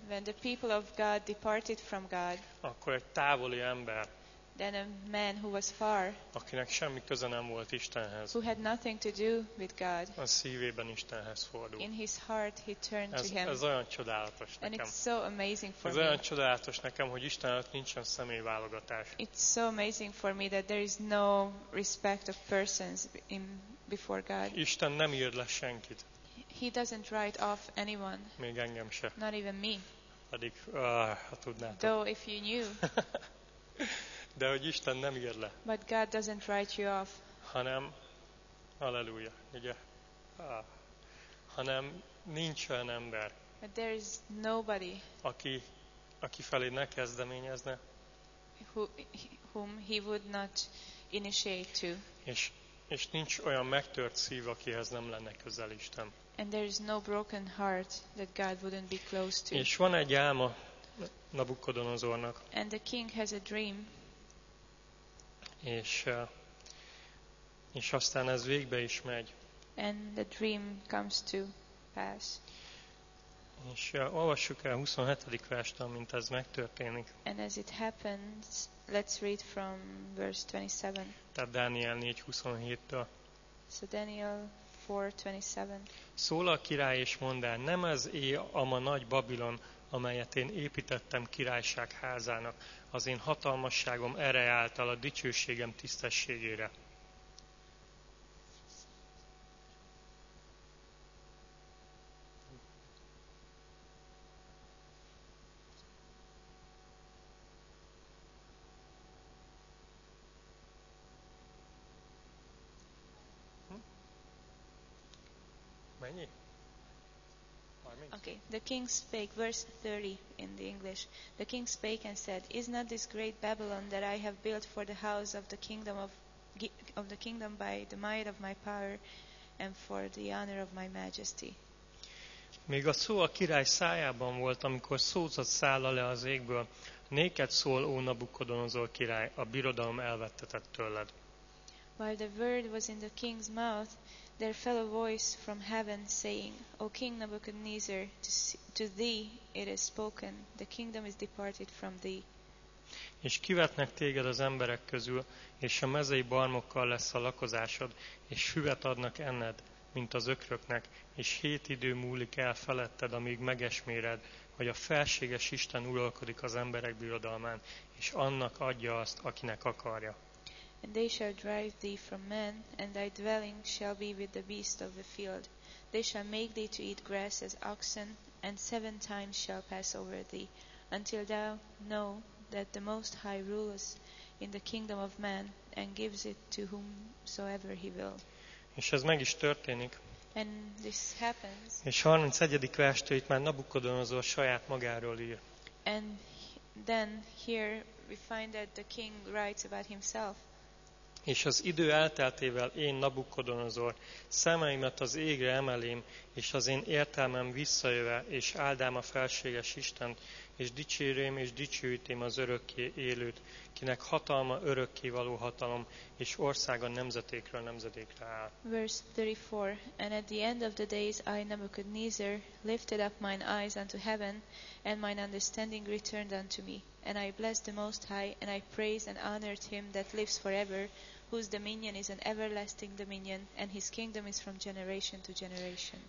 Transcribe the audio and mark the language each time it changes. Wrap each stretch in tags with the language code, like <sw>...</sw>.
<en>When the people of God departed from God.</en> <hu>Akkor egy távoli ember.</hu> <en>Then a man who was far.</en> <hu>Akinek semmi köze nem volt Istenhez.</hu> <en>Who had nothing to do with God.</en> <hu>A szívében Istenhez fordult.</hu> <en>In his heart he turned</en> <hu>ez,</hu> <en>to him.</en> <hu>Ez olyan csodálatos</hu> <en>and</en> <hu>nekem.</hu> <en>And it's so amazing for</en> <hu>ez</hu> <en>me.</en> <hu>Ez olyan csodálatos nekem, hogy Isten előtt nincsen személyválogatás.</hu> <en>It's so amazing for me that there is no respect of persons in before God.</en> <hu>Isten nem ír le senkit.</hu> <en>He doesn't write off anyone.</en> <hu>Még engem se.</hu> <en>Not even me.</en> <hu>Pedig, ha tudnátok.</hu> <en>Though if you knew.</en> <hu>De hogy Isten nem ír le.</hu> <en>But God doesn't write you off.</en> <hu>Hanem, halleluja, ugye? Hanem nincs olyan ember.</hu> <en>But there is nobody.</en> <hu>Aki felé ne kezdeményezne.</hu> <en>Whom he would not initiate to.</en> <hu>És nincs olyan megtört szív, akihez nem lenne közel Isten.</hu> <en>And there is no broken heart that God wouldn't be close to.</en> <hu>És van egy álma Nabukodonozornak.</hu> <en>And the king has a dream.</en> <hu>És aztán ez végbe is megy.</hu> <en>And the dream comes to pass.</en> <hu>És olvassuk el 27. verset, amint ez megtörténik.</hu> <en>And as it happens, let's read from verse 27.</en> <hu>Tehát Dániel 4:27-től.</hu> <en>So Daniel 4:27.</en> <hu>Szól a király és mondá, nem ez é a ma nagy Babilon, amelyet én építettem királyság házának, az én hatalmasságom ereje által a dicsőségem tisztességére.</hu> <en>Okay, the king spake, verse 30 in the English. The king spake and said, is not this great Babylon that I have built for the house of the kingdom of the kingdom by the might of my power and for the honor of my majesty?</en> <hu>Még a szó a király szájában volt, amikor szózat szálla le az égből. Néked szól, ó Nabukodonozor király, a birodalom elvettetett tőled.</hu> <en>While the word was in the king's mouth, there fell a voice from heaven saying, O King Nabuchodonosor, to thee it is spoken, the kingdom is departed from thee.</en> <hu>És kivetnek téged az emberek közül, és a mezei barmokkal lesz a lakozásod, és füvet adnak enned, mint az ökröknek, és hét idő múlik el feletted, amíg megesméred, hogy a felséges Isten uralkodik az emberek birodalmán, és annak adja azt, akinek akarja.</hu> <en>And they shall drive thee from men, and thy dwelling shall be with the beast of the field. They shall make thee to eat grass as oxen, and seven times shall pass over thee, until thou know that the Most High rules in the kingdom of men, and gives it to whomsoever he will.</en> <hu>És ez meg is történik.</hu> <en>And this happens.</en> <hu>És 31. verstől itt már Nabukodonozor saját magáról ír.</hu> <en>And then here we find that the king writes about himself.</en> <hu>És az idő elteltével én, Nabukodonozor, szemeimet az égre emelém, és az én értelmem visszajöve, és áldám a felséges Istent, és dicsérém és dicsőítém az örökké élőt, kinek hatalma örökké való hatalom, és országa nemzetékről nemzetékre áll.</hu> <en>Verse 34. And at the end of the days I, Nabuchodonosor, lifted up mine eyes unto heaven, and mine understanding returned unto me. And I blessed the Most High, and I praised and honored him that lives forever, whose dominion is an everlasting dominion, and his kingdom is from generation to generation.</en>